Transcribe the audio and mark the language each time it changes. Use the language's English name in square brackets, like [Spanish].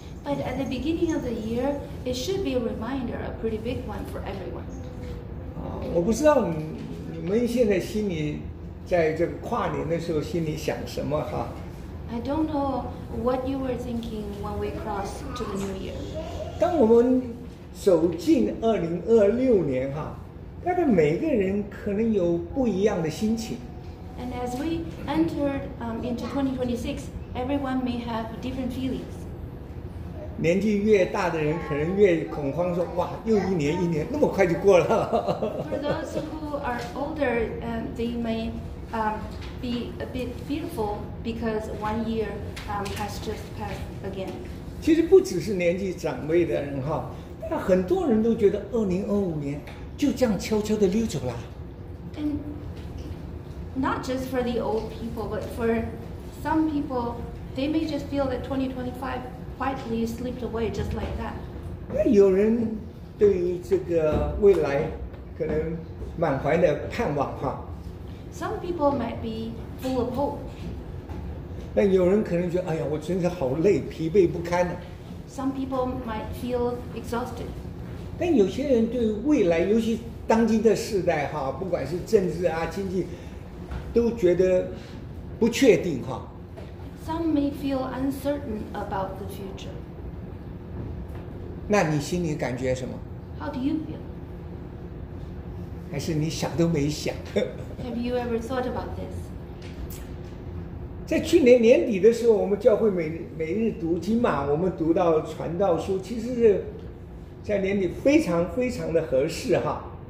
[English] But at the beginning of the year, it should be a reminder, a pretty big one for everyone. [Chinese] 我不知道你们现在心里在这个跨年的时候心里想什么哈。 [English] I don't know what you were thinking when we crossed to the new year. [Chinese] 当我们走进2026年哈，大概每个人可能有不一样的心情。 [English] And as we entered into 2026, everyone may have different feelings. [Chinese] 年纪越大的人可能越恐慌说，哇，又一年，那么快就过了。 [English] For those who are older, they may be a bit fearful because one year has just passed again. [Chinese] 其实不只是年纪长辈的人哈，但很多人都觉得2025年就这样悄悄地溜走了。 [English] Not just for the old people, but for some people, they may just feel that 2025 quietly slipped away just like that. [Chinese] 那有人对于这个未来可能满怀的盼望哈。 [English] Some people might be full of hope. [Chinese] 那有人可能觉得，哎呀，我真是好累，疲惫不堪的。 [English] Some people might feel exhausted. [Chinese] 但有些人对于未来，尤其当今的时代哈，不管是政治啊、经济。都觉得不确定哈。 [English] Some may feel uncertain about the future. [Chinese] 那你心里感觉什么 [English] ？How do you feel? [Chinese] 还是你想都没想 [English] ？Have you ever thought about this? [Chinese] 在去年年底的时候，我们教会每日读经嘛，我们读到传道书，其实是在年底非常非常的合适哈。